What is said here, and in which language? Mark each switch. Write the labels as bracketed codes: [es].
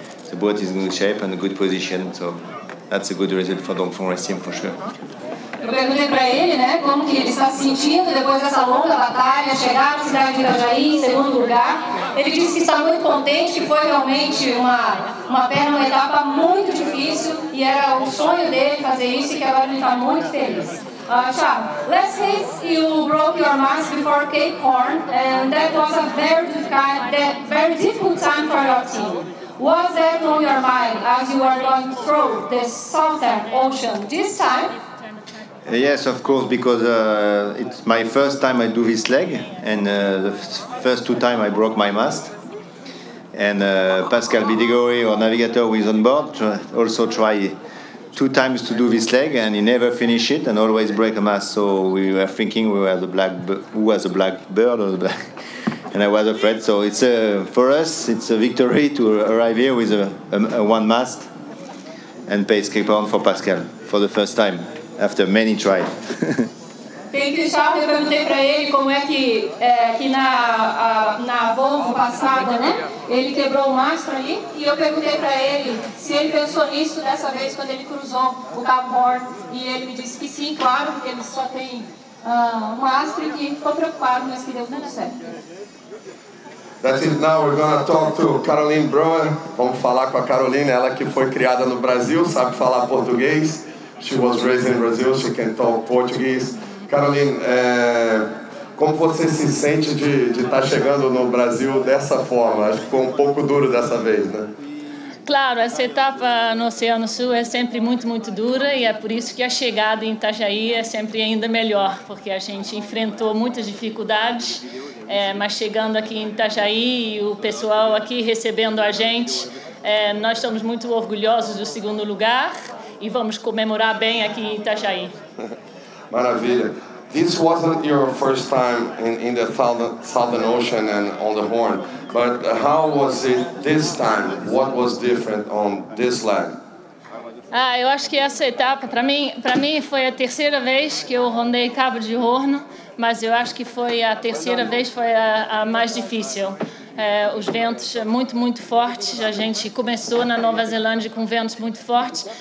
[en] The boat is in good shape and a good position, so that's a good result for Dongfeng race team for sure. [pt] Eu perguntei para ele, né, como que ele está se sentindo depois dessa longa batalha, chegar na cidade de Itajaí em segundo lugar. Ele disse que está muito contente, que foi realmente uma etapa muito difícil e era o sonho dele fazer isso e que agora ele está muito feliz. [en] Charles, last week you broke your mask before Cape Horn, and that was a very difficult time for your team. Was that on your mind as you were going through the Southern Ocean this time? Yes, of course, because it's my first time I do this leg, and the first 2 times I broke my mast. And Pascal Bidigori, our navigator, who is on board, also tried 2 times to do this leg, and he never finished it and always break a mast. So we were thinking who was a black bird or the black. And I was afraid. So it's for us, it's a victory to arrive here with a one mast and pay Cape Horn for Pascal for the first time after many tries. Thank you, Charles. [pt] Eu perguntei para ele como é que na Volvo passada, né? Ele quebrou o mastro ali. E eu perguntei para ele se ele pensou nisso dessa vez quando ele cruzou o Cabo Horn. E ele me disse que sim, claro, porque ele só tem um mastro e que ficou preocupado, mas que deu tudo certo. [en] That's it. Now we're going to talk to Caroline Brown. [pt] Vamos falar com a Caroline, ela que foi criada no Brasil, sabe falar português. [en] She was raised in Brazil, she can talk Portuguese. [pt] Caroline, como você se sente de estar chegando no Brasil dessa forma? Acho que ficou um pouco duro dessa vez, né? Claro, essa etapa no Oceano Sul é sempre muito, muito dura e é por isso que a chegada em Itajaí é sempre ainda melhor, porque a gente enfrentou muitas dificuldades, mas chegando aqui em Itajaí e o pessoal aqui recebendo a gente, Nós estamos muito orgulhosos do segundo lugar e vamos comemorar bem aqui em Itajaí. Maravilha. [en] This wasn't your first time in the Southern Ocean and on the Horn, but how was it this time? What was different on this leg? [pt] Ah, eu acho que essa etapa, para mim foi a terceira vez que eu rondei Cabo de Horno, mas eu acho que foi a terceira vez, foi a mais difícil. Os ventos muito, muito fortes. A gente começou na Nova Zelândia com ventos muito fortes.